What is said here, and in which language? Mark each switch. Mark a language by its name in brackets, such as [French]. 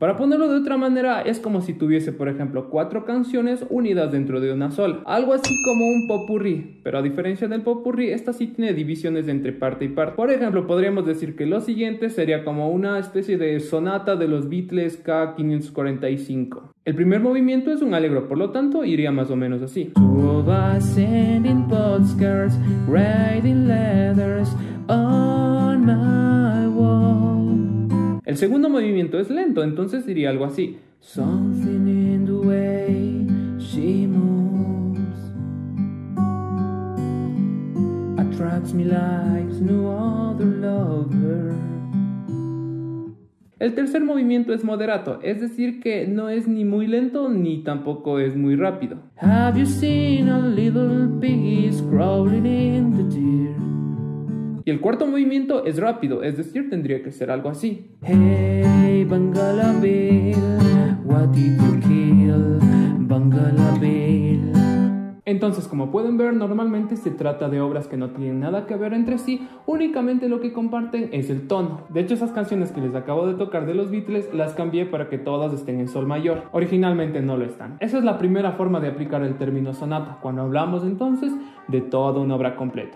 [Spanish] Para ponerlo de otra manera, es como si tuviese, por ejemplo, 4 canciones unidas dentro de una sola, algo así como un popurrí, pero a diferencia del popurrí, esta sí tiene divisiones entre parte y parte. Por ejemplo, podríamos decir que lo siguiente sería como una especie de sonata de los Beatles K545. El primer movimiento es un allegro, por lo tanto, iría más o menos así. [English] Two of us sending postcards, writing letters on my wall. [Spanish] El segundo movimiento es lento, entonces iría algo así. [English] Something in the way she moves attracts me like no other lover. [Spanish] El tercer movimiento es moderato, es decir, que no es ni muy lento ni tampoco es muy rápido. [English] Have you seen a little piggy crawling in the dirt? [Spanish] Y el cuarto movimiento es rápido, es decir, tendría que ser algo así. [English] Hey, Bangala Bill, what did you kill, Bangala Bill? [Spanish] Entonces, como pueden ver, normalmente se trata de obras que no tienen nada que ver entre sí, únicamente lo que comparten es el tono. De hecho, esas canciones que les acabo de tocar de los Beatles las cambié para que todas estén en sol mayor. Originalmente no lo están. Esa es la primera forma de aplicar el término sonata, cuando hablamos entonces de toda una obra completa.